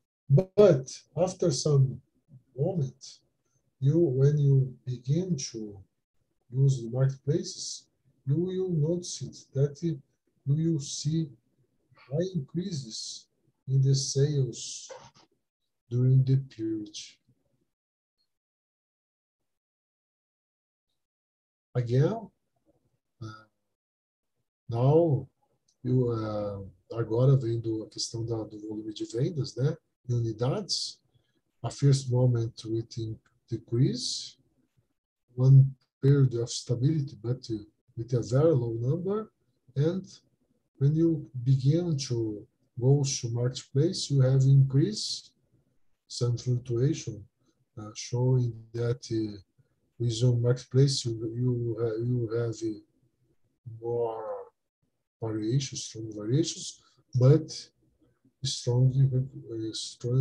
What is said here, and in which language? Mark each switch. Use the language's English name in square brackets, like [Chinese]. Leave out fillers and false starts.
[English] But after some moment, when you begin to use the marketplaces, you will notice that you will see high increases in the sales during the period. Again, now, [Portuguese] agora vendo a questão do volume de vendas, né? Unidades, [English] a first moment with decrease, one period of stability, but with a very low number. And when you begin to go to marketplace, you have increase, some fluctuation showing that with your marketplace, you have more variations, strong variations, but strong increase.